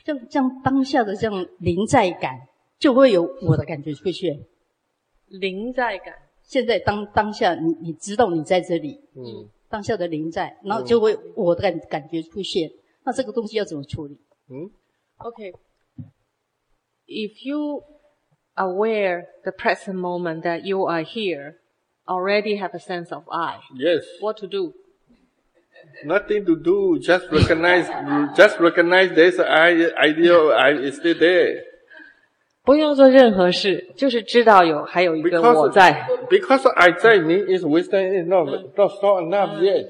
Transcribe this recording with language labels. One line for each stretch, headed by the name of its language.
Chinese: 像当下的这样临在感，就会有我的感觉出现。临在感现在当下你知道你在这里，嗯，当下的临在，然后就会我的感觉出现，嗯，那这个东西要怎么处理？嗯
English: ，Okay, if you aware the present moment that you are here, already have a sense of I. Yes. What to do? Nothing to do, just recognize there's an idea of I is still there.
Chinese: 不用做任何事，就是知道有还有一个我在。
English: Because I
Chinese: 在
English: means is wisdom is not strong enough yet.